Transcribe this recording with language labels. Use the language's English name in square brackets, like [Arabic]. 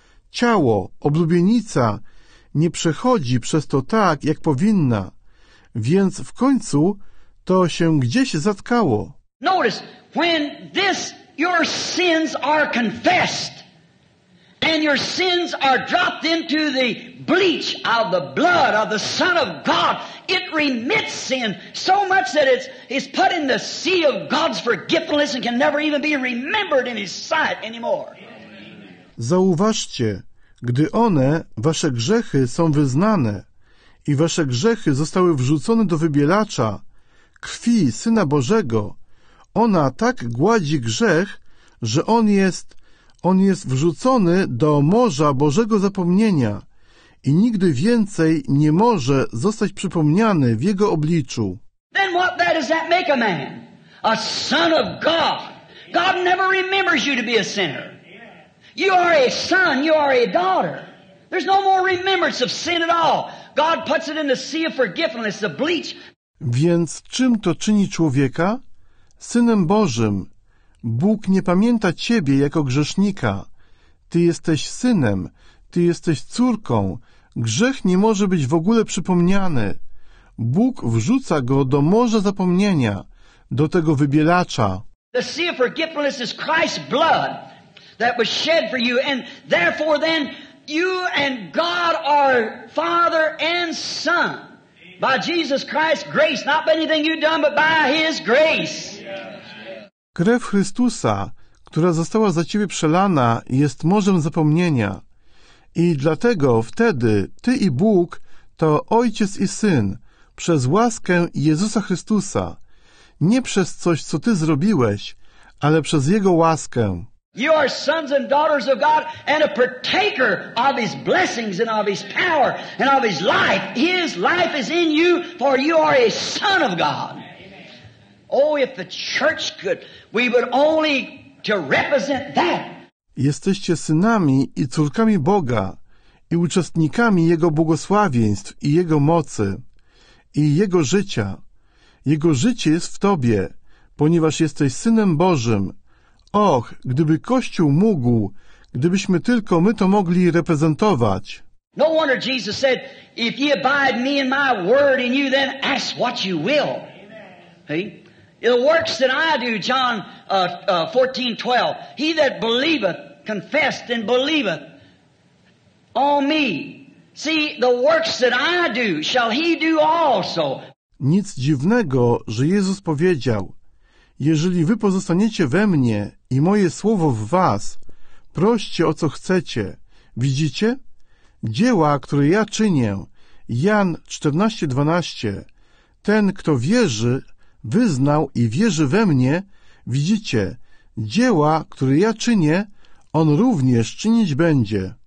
[Polish] Ciało, oblubienica, nie przechodzi przez to tak, jak powinna. Więc w końcu to się gdzieś zatkało. [English] Notice, when this, your sins are confessed, and your sins are dropped into the bleach of the blood of the Son of God, it remits sin so much that it's put in the sea of God's forgiveness and can never even be remembered in His sight anymore. [Polish] Zauważcie, gdy one, wasze grzechy, są wyznane i wasze grzechy zostały wrzucone do wybielacza, krwi Syna Bożego, ona tak gładzi grzech, że on jest wrzucony do morza Bożego zapomnienia i nigdy więcej nie może zostać przypomniany w jego obliczu. [English] Then what does that make a man? A son of God. God never remembers you to be a sinner. You are a son, you are a daughter. There's no more remembrance of sin at all. God puts it in the sea of forgiveness, the bleach. [Polish] Więc czym to czyni człowieka? Synem Bożym. Bóg nie pamięta ciebie jako grzesznika. Ty jesteś synem, ty jesteś córką. Grzech nie może być w ogóle przypomniany. Bóg wrzuca go do morza zapomnienia, do tego wybielacza. [English] The sea of forgiveness is Christ's blood that was shed for you, and therefore then you and God are father and son by Jesus Christ's grace, not by anything you've done, but by His grace. [Polish] Krew Chrystusa, która została za ciebie przelana, jest morzem zapomnienia. I dlatego wtedy ty i Bóg to ojciec i syn przez łaskę Jezusa Chrystusa. Nie przez coś, co ty zrobiłeś, ale przez Jego łaskę. [English] You are sons and daughters of God and a partaker of His blessings and of His power and of His life. His life is in you, for you are a son of God. Oh, if the church could, we would only to represent that. [Polish] Jesteście synami i córkami Boga i uczestnikami Jego błogosławieństw i Jego mocy i Jego życia. Jego życie jest w tobie, ponieważ jesteś Synem Bożym. Och, gdyby Kościół mógł, gdybyśmy tylko my to mogli reprezentować. [English] No wonder Jesus said, if ye abide me and my word in you, then ask what you will. Hey? The works that I do, John 14:12. He that believeth, confessed and believeth on me. See, the works that I do, shall he do also. [Polish] Nic dziwnego, że Jezus powiedział: jeżeli wy pozostaniecie we mnie i moje słowo w was, proście o co chcecie. Widzicie? Dzieła, które ja czynię, Jan 14:12, ten, kto wierzy, wyznał i wierzy we mnie, widzicie, dzieła, które ja czynię, on również czynić będzie.